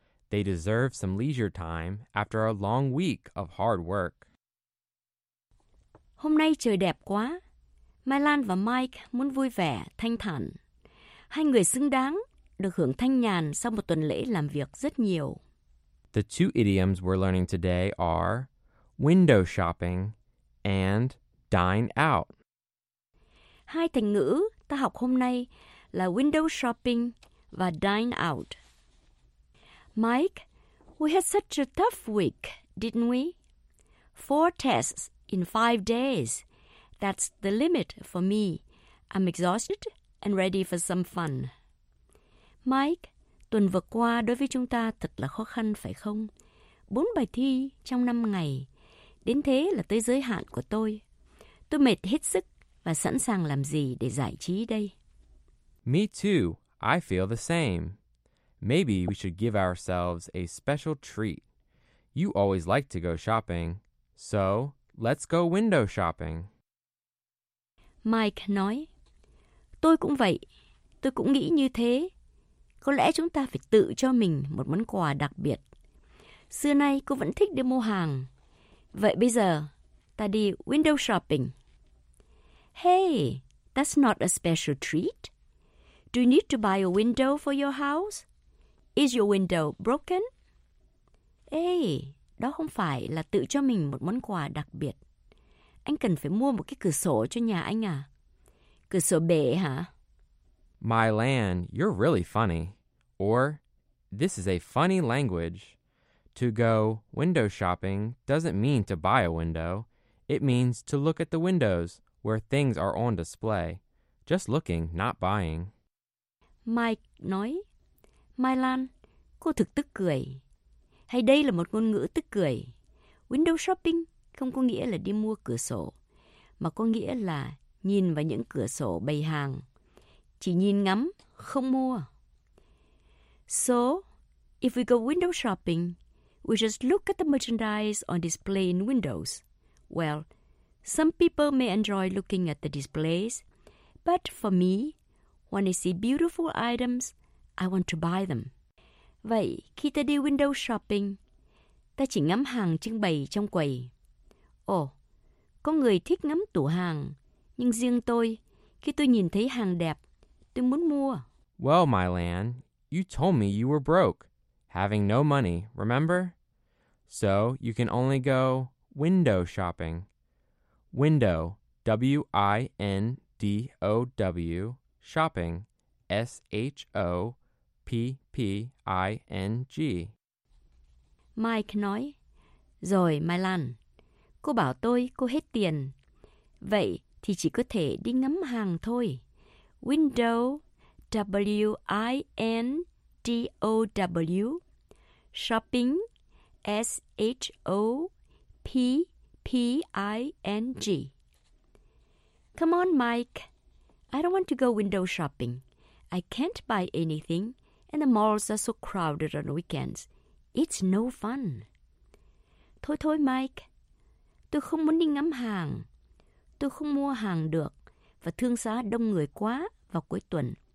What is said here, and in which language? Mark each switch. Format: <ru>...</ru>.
<en>They deserve some leisure time after a long week of hard work.</en> <vi>Hôm nay trời đẹp quá. My Lan và Mike muốn vui vẻ, thanh thản. Hai người xứng đáng được hưởng thanh nhàn sau một tuần lễ làm việc rất nhiều.</vi> <en>The two idioms we're learning today are window shopping and dine out.</en> <vi>Hai thành ngữ ta học hôm nay là window shopping và dine out.</vi> <en>Mike, we had such a tough week, didn't we? 4 tests in 5 days. That's the limit for me. I'm exhausted and ready for some fun.</en> <vi>Mike, tuần vừa qua đối với chúng ta thật là khó khăn phải không? 4 bài thi trong 5 ngày. Đến thế là tới giới hạn của tôi. Tôi mệt hết sức và sẵn sàng làm gì để giải trí đây?</vi> <en>Me too. I feel the same. Maybe we should give ourselves a special treat. You always like to go shopping. So, let's go window shopping.</en> <vi>Mike nói, tôi cũng vậy. Tôi cũng nghĩ như thế. Có lẽ chúng ta phải tự cho mình một món quà đặc biệt. Xưa nay cô vẫn thích đi mua hàng. Vậy bây giờ, ta đi window shopping.</vi> <en>Hey, that's not a special treat. Do you need to buy a window for your house? Is your window broken?</en> <vi>Hey, đó không phải là tự cho mình một món quà đặc biệt. Anh cần phải mua một cái cửa sổ cho nhà anh à? Cửa sổ bể hả?</vi> <en>My Lan, you're really funny. Or, this is a funny language. To go window shopping doesn't mean to buy a window. It means to look at the windows where things are on display. Just looking, not buying.</en> <vi>Mike nói, My Lan, cô thực tức cười. Hay đây là một ngôn ngữ tức cười. Window shopping không có nghĩa là đi mua cửa sổ, mà có nghĩa là nhìn vào những cửa sổ bày hàng. Chỉ nhìn ngắm, không mua.</vi> <en>So, if we go window shopping, we just look at the merchandise on display in windows. Well, some people may enjoy looking at the displays, but for me, when I see beautiful items, I want to buy them.</en> <vi>Vậy, khi ta đi window shopping, ta chỉ ngắm hàng trưng bày trong quầy. Ồ, có người thích ngắm tủ hàng, nhưng riêng tôi, khi tôi nhìn thấy hàng đẹp, tôi muốn mua.</vi> <en>Well, Mylan, you told me you were broke, having no money, remember? So, you can only go window shopping. Window, W-I-N-D-O-W, shopping, S-H-O-P-P-I-N-G.</en> <vi>Mike nói, rồi Mylan, cô bảo tôi cô hết tiền. Vậy thì chỉ có thể đi ngắm hàng thôi.</vi> <en>Window, W-I-N-D-O-W, shopping, S-H-O-P-P-I-N-G. Come on, Mike. I don't want to go window shopping. I can't buy anything, and the malls are so crowded on weekends. It's no fun.</en> <vi>Thôi thôi, Mike. Tôi không muốn đi ngắm hàng. Tôi không mua hàng được, và thương xá đông người quá vào cuối tuần.</vi>